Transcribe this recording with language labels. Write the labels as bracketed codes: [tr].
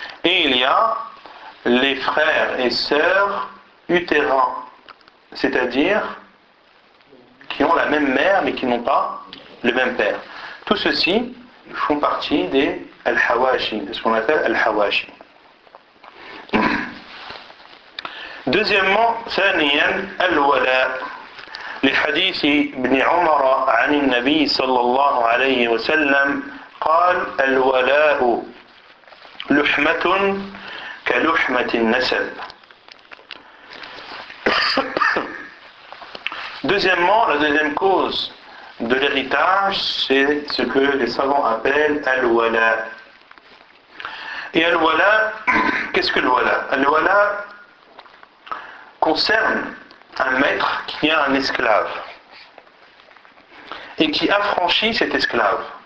[fr] Et il y a les frères et sœurs utérins, c'est-à-dire qui ont la même mère mais qui n'ont pas le même père. Tout ceci font partie des al-hawashi, de ce qu'on appelle al-hawashi. Deuxièmement, [ar] ثانياً الولاء. [fr] Les hadiths ibn Umar [ar] عن النبي صلى الله عليه وسلم قال الولاء لحمة كلحمة النسب. [fr] Deuxièmement, la deuxième cause de l'héritage, c'est ce que les savants appellent al-wala. Et al-wala, qu'est-ce que al-wala ? Al-wala concerne un maître qui a un esclave et qui affranchit cet esclave.